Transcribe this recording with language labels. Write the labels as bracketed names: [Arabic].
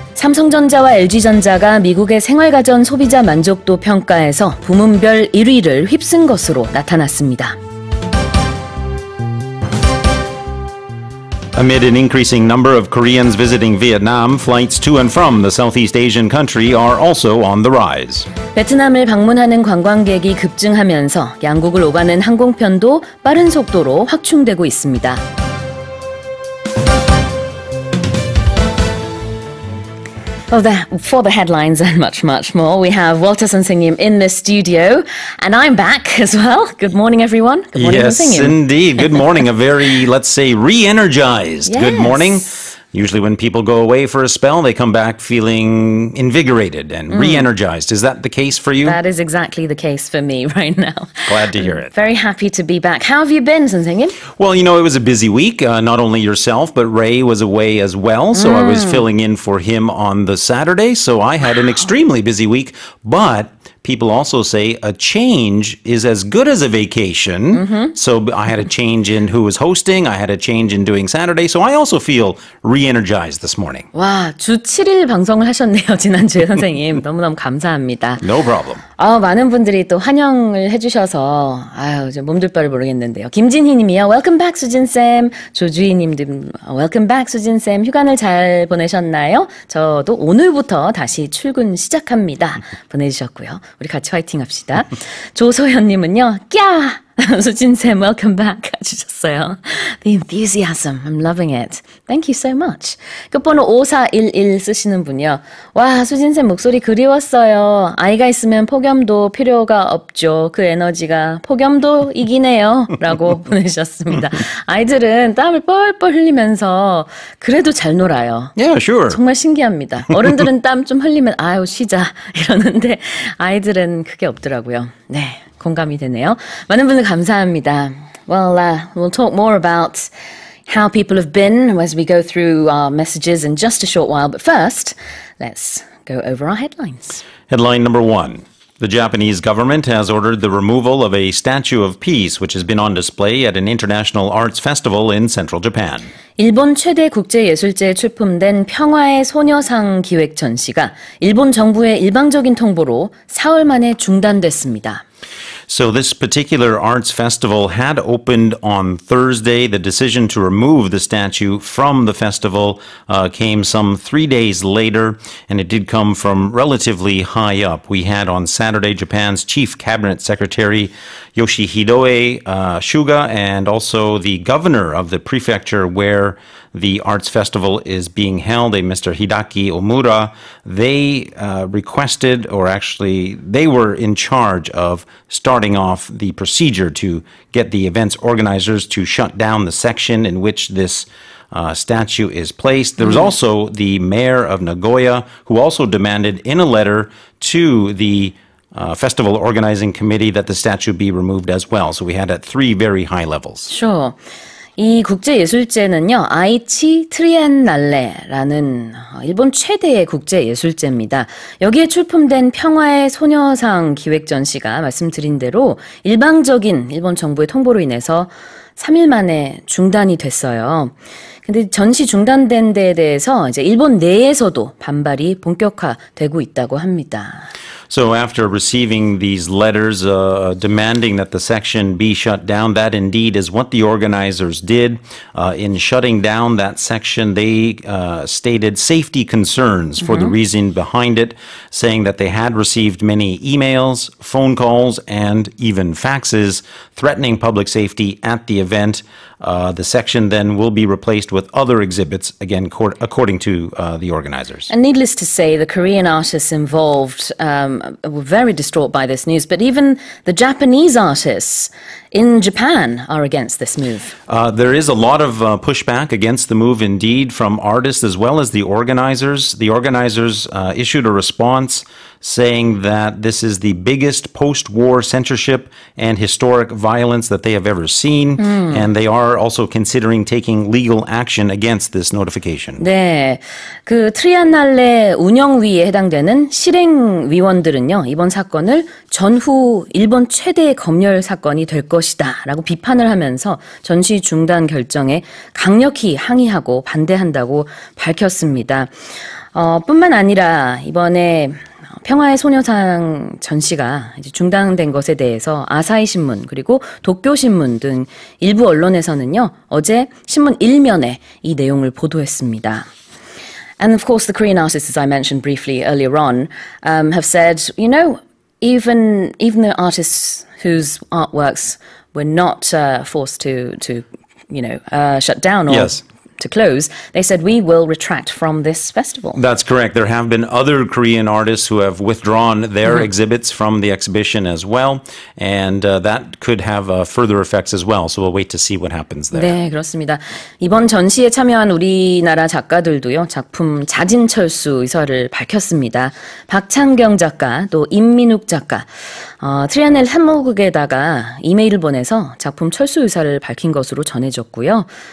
[Korean] 삼성전자와 LG전자가 미국의 생활가전 소비자 만족도 평가에서 부문별 1위를 휩쓴 것으로 나타났습니다. [English] Amid an increasing number of Koreans visiting Vietnam, flights to and from the Southeast Asian country are also on the rise. [Korean] 베트남을 방문하는 관광객이 급증하면서 양국을 오가는 항공편도 빠른 속도로 확충되고 있습니다. [English] For the headlines and much, much more, we have Walter 선생님 in the studio, and I'm back as well. Good morning, everyone. Good morning, yes, 선생님. Yes, indeed. Good morning. A very, let's say, re-energized yes. good morning. Usually when people go away for a spell, they come back feeling invigorated and re-energized. Is that the case for you? That is exactly the case for me right now. Glad to hear it. Very happy to be back. How have you been, 선생님? Well, you know, it was a busy week. Not only yourself, but Ray was away as well. So I was filling in for him on the Saturday. So I had an extremely busy week. But people also say a change is as good as a vacation. Mm-hmm. So I had a change in who was hosting. I had a change in doing Saturday. So I also feel re-energized this morning. [Korean] 와, 주 7일 방송을 하셨네요, 지난주에 선생님. 너무너무 감사합니다. [English] No problem. [Korean] 아, 많은 분들이 또 환영을 해주셔서 아유, 이제 몸둘바를 모르겠는데요. 김진희 님이요. [English] Welcome back, [Korean] 수진쌤. 조주희 님도 Welcome back, 수진쌤. 휴가를 잘 보내셨나요? 저도 오늘부터 다시 출근 시작합니다. 보내주셨고요. 우리 같이 화이팅 합시다. 조소현 님은요. 꺄! 수진쌤, [English] welcome back [Korean] 해주셨어요. [English] The enthusiasm, I'm loving it. Thank you so much. [Korean] 끝번호 5411 쓰시는 분이요. 와, 수진쌤 목소리 그리웠어요. 아이가 있으면 폭염도 필요가 없죠. 그 에너지가 폭염도 이기네요. 라고 보내주셨습니다. 아이들은 땀을 뻘뻘 흘리면서 그래도 잘 놀아요. [English] Yeah, sure. [Korean] 정말 신기합니다. 어른들은 땀 좀 흘리면 아유 쉬자 이러는데 아이들은 그게 없더라고요. 네. 공감이 되네요. 많은 분들 감사합니다. [English] Well, we'll talk more about how people have been as we go through our messages in just a short while. But first, let's go over our headlines. Headline number one. The Japanese government has ordered the removal of a statue of peace, which has been on display at an international arts festival in central Japan. 일본 최대 국제예술제에 출품된 평화의 소녀상 기획 전시가 일본 정부의 일방적인 통보로 사흘 만에 중단됐습니다. So this particular arts festival had opened on Thursday. The decision to remove the statue from the festival came some 3 days later, and it did come from relatively high up. We had on Saturday Japan's chief cabinet secretary, Yoshihide Suga, and also the governor of the prefecture where the arts festival is being held, a Mr. Hidaki Omura. They requested, or actually they were in charge of starting off the procedure to get the event's organizers to shut down the section in which this statue is placed. There was also the mayor of Nagoya, who also demanded in a letter to the festival organizing committee that the statue be removed as well. So we had at three very high levels. Sure. [Korean] 이 국제예술제는요, 아이치 트리엔날레라는 일본 최대의 국제예술제입니다. 여기에 출품된 평화의 소녀상 기획전시가 말씀드린 대로 일방적인 일본 정부의 통보로 인해서 3일 만에 중단이 됐어요. 근데 전시 중단된 데에 대해서 이제 일본 내에서도 반발이 본격화되고 있다고 합니다. [English] So after receiving these letters demanding that the section be shut down, that indeed is what the organizers did. In shutting down that section, they stated safety concerns for the reason behind it, saying that they had received many emails, phone calls, and even faxes threatening public safety at the event. The section then will be replaced with other exhibits, again, according to the organizers. And needless to say, the Korean artists involved were very distraught by this news, but even the Japanese artists in Japan are against this move. There is a lot of pushback against the move, indeed, from artists as well as the organizers. The organizers issued a response saying that this is the biggest post-war censorship and historic violence that they have ever seen, and they are also considering taking legal action against this notification. [Korean] 네, 그 트리안날레 운영위에 해당되는 실행위원들은요, 이번 사건을 전후 일본 최대의 검열 사건이 될 것이다 라고 비판을 하면서 전시 중단 결정에 강력히 항의하고 반대한다고 밝혔습니다. 뿐만 아니라 이번에 평화의 소녀상 전시가 이제 중단된 것에 대해서 아사히 신문 그리고 도쿄 신문 등 일부 언론에서는요 어제 신문 1면에 이 내용을 보도했습니다. [English] And of course, the Korean artists, as I mentioned briefly earlier on, have said, you know, even the artists whose artworks were not forced to, you know, shut down or yes. to close, they said, we will retract from this festival. That's correct. There have been other Korean artists who have withdrawn their exhibits from the exhibition as well, and that could have further effects as well. So we'll wait to see what happens there. [Korean] 네, 그렇습니다. 이번 전시에 참여한 우리나라 작가들도요, 작품 자진철수 의사를 밝혔습니다. 박창경 작가, 또 임민욱 작가, 트리안넬 한무국에다가 이메일을 보내서 작품 철수 의사를 밝힌 것으로 전해졌고요.